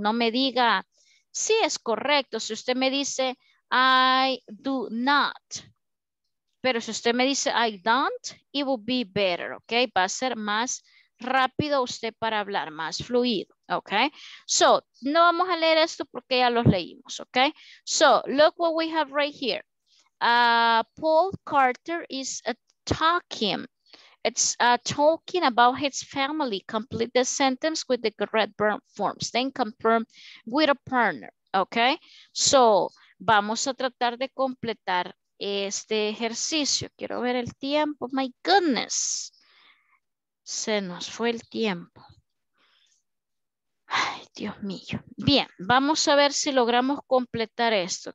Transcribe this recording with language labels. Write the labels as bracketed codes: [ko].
[es] No me diga, sí, es correcto. Si usted me dice, [en] I do not, [es] pero si usted me dice, [en] I don't, it would be better, [es] ¿ok? Va a ser más rápido usted para hablar, más fluido. Ok, so no vamos a leer esto porque ya los leímos. [en] Ok, so look what we have right here. Paul Carter is talking. It's talking about his family. Complete the sentence with the correct verb forms. Then confirm with a partner. [es] Ok, so vamos a tratar de completar este ejercicio. Quiero ver el tiempo. [en] My goodness, [es] se nos fue el tiempo. Ay, Dios mío. Bien, vamos a ver si logramos completar esto.